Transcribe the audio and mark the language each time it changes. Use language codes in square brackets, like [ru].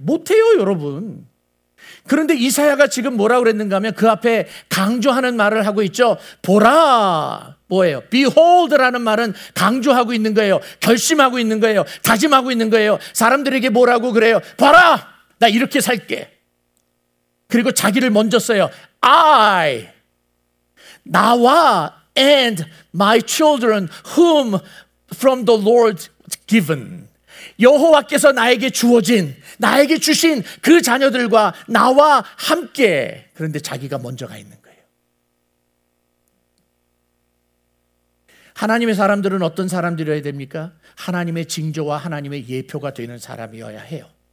[ko] 못해요, 여러분. 그런데 이사야가 지금 뭐라고 그랬는가 하면 그 앞에 강조하는 말을 하고 있죠. 보라, 뭐예요? Behold라는 말은 강조하고 있는 거예요. 결심하고 있는 거예요. 다짐하고 있는 거예요. 사람들에게 뭐라고 그래요? 봐라, 나 이렇게 살게. 그리고 자기를 먼저 써요. [en] I, [ko] 나와 [en] and my children whom from the Lord given. [ko] 여호와께서 나에게 주어진, 나에게 주신 그 자녀들과 나와 함께. 그런데 자기가 먼저 가 있는 거예요. 하나님의 사람들은 어떤 사람들이어야 됩니까? 하나님의 징조와 하나님의 예표가 되는 사람이어야 해요.